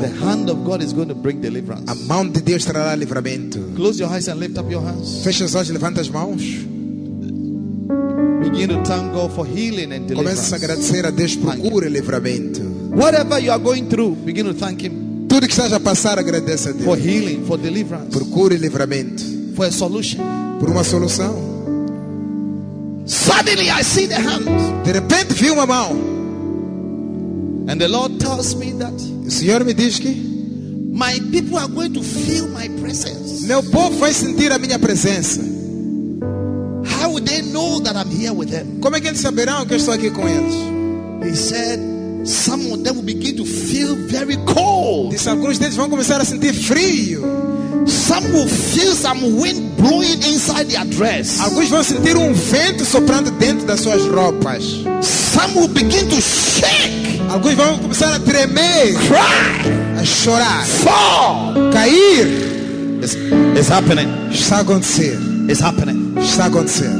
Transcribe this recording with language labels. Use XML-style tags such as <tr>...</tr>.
<en>The hand of God is going to bring deliverance.</en> <pt>A mão de Deus trará livramento.</pt> <en>Close your eyes and lift up your hands.</en> <pt>Feche os olhos e levanta as mãos.</pt> <en>Begin to thank God for healing and deliverance.</en> <pt>Comece a agradecer a Deus por cura e livramento.</pt> <en>Whatever you are going through, begin to thank Him.</en> <pt>Tudo que estás a passar, agradece a Deus.</pt> <en>For healing, for deliverance.</en> <pt>Por cura e livramento.</pt> <en>For a solution.</en> <pt>Por uma solução.</pt> <en>Suddenly I see the hand.</en> <pt>De repente vi uma mão.</pt> <en>And the Lord tells me that.</en> <pt>O Senhor me diz que</pt> <en>my people are going to feel my presence.</en> <pt>Meu povo vai sentir a minha presença.</pt> <en>How would they know that I'm here with them?</en> <pt>Como é que eles saberão que eu estou aqui com eles?</pt> <en>He said some of them will begin to feel very cold.</en> <pt>Diz, alguns deles vão começar a sentir frio.</pt> <en>Some will feel some wind blowing inside their dress.</en> <pt>Alguns vão sentir vento soprando dentro das suas roupas.</pt> <en>Some will begin to shake.</en> <pt>Alguns vão começar a tremer.</pt> <en>Cry.</en> <pt>A chorar.</pt> <en>Fall.</en> <pt>Cair.</pt> <en>It's happening.</en> <pt>Está a acontecer.</pt> <en>It's happening.</en> <pt>Está a acontecer.</pt>